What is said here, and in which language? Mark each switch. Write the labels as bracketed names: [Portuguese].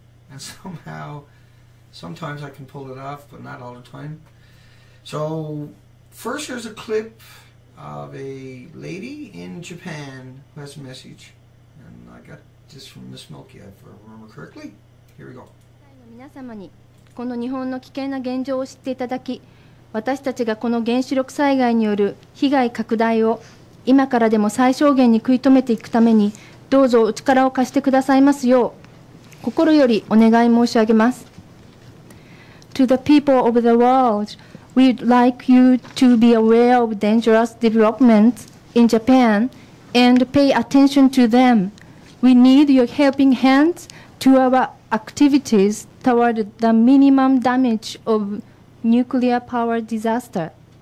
[English] And somehow, sometimes I can pull it off, but not all the time. So, first there's a clip of a lady in Japan who has a message. And I got this from Miss Milky, if I remember correctly. Here we go. [Japanese] この日本の危険な現状を知っていただき、私たちがこの原子力災害による被害拡大を今からでも最小限に食い止めていくために、どうぞお力を貸してくださいますよう、心よりお願い申し上げます。 [English] To the people of the world, we'd like you to be aware of dangerous developments in Japan and pay attention to them. We need your helping hands to our activities. Toward the minimum damage of nuclear power disaster.